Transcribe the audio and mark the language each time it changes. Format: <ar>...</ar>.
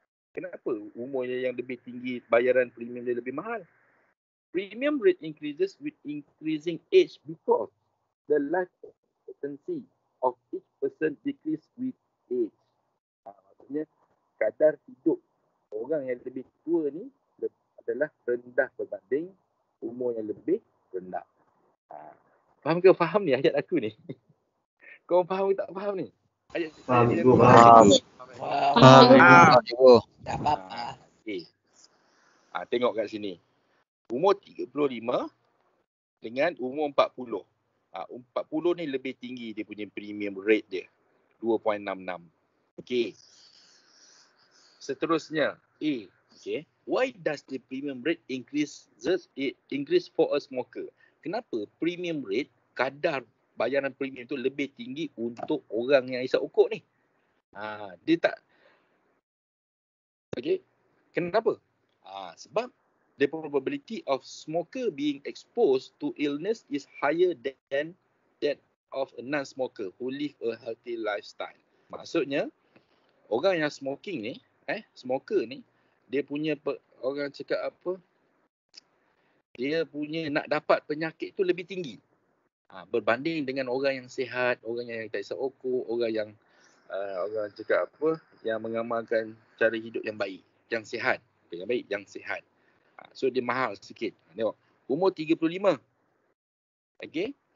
<ms>Kenapa umurnya yang lebih tinggi bayaran premium dia lebih mahal?</ms> <en>Premium rate increases with increasing age because the life expectancy of each person decrease with age.</en> <ms>Maksudnya kadar hidup orang yang lebih tua ni adalah rendah berbanding umur yang lebih rendah. Faham ke? Faham ni ayat aku ni? Kau faham ke tak faham ni? Ayat faham, ibu. Faham. Faham, ibu. Tak apa-apa. Okay. Tengok kat sini. Umur 35 dengan umur 40. 40 ni lebih tinggi dia punya premium rate dia. 2.66. Okay. Seterusnya. A. Okay.</ms> <en>Why does the premium rate increase for a smoker?</en> <ms>Kenapa premium rate, kadar bayaran premium tu lebih tinggi untuk orang yang isap ukuk ni? Dia tak. Okay. Kenapa? Sebab</ms> <en>the probability of smoker being exposed to illness is higher than that of a non-smoker who live a healthy lifestyle.</en> <ms>Maksudnya, orang yang smoking ni, smoker ni, dia punya, orang cakap apa, dia punya nak dapat penyakit tu lebih tinggi. Berbanding dengan orang yang sihat, orang yang tak isap rokok, orang yang, orang cakap apa, yang mengamalkan cara hidup yang baik, yang sihat. Yang baik, yang sihat. So dia mahal sikit. Tengok. Umur 35. Okay.</ms>